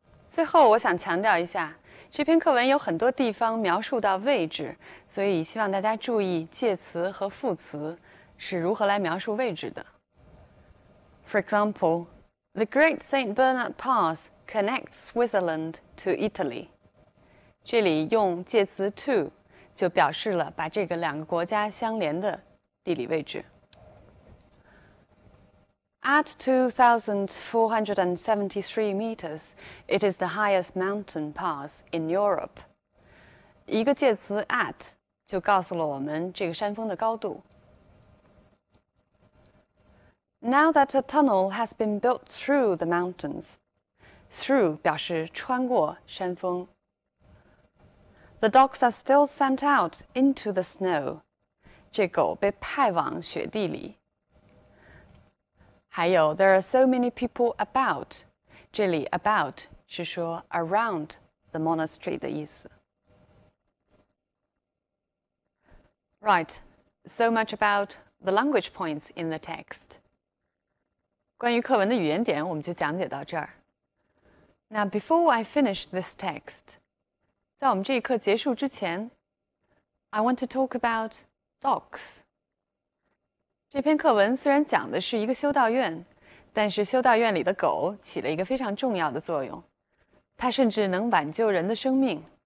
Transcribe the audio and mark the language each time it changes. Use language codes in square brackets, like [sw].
[zh] 最后我想强调一下，这篇课文有很多地方描述到位置，所以希望大家注意介词和副词是如何来描述位置的。 [en] For example, the Great St. Bernard Pass connects Switzerland to Italy. [zh] 这里用介词 to 就表示了把这个两个国家相连的地理位置。 [en] At 2,473 meters, it is the highest mountain pass in Europe. [zh] 一个介词 at 就告诉了我们这个山峰的高度。 [en] Now that a tunnel has been built through the mountains, through [zh] 表示穿过山峰。 [en] The dogs are still sent out into the snow. [zh] 这狗被派往雪地里。还有 [en] there are so many people about, [zh] 这里 about 是说 around the monastery 的意思。 [en] Right, so much about the language points in the text. [zh] 关于课文的语言点我们就讲解到这儿。 [en] Now before I finish this text, [zh] 在我们这一课结束之前 [en] I want to talk about dogs. [zh] 这篇课文虽然讲的是一个修道院，但是修道院里的狗起了一个非常重要的作用，它甚至能挽救人的生命。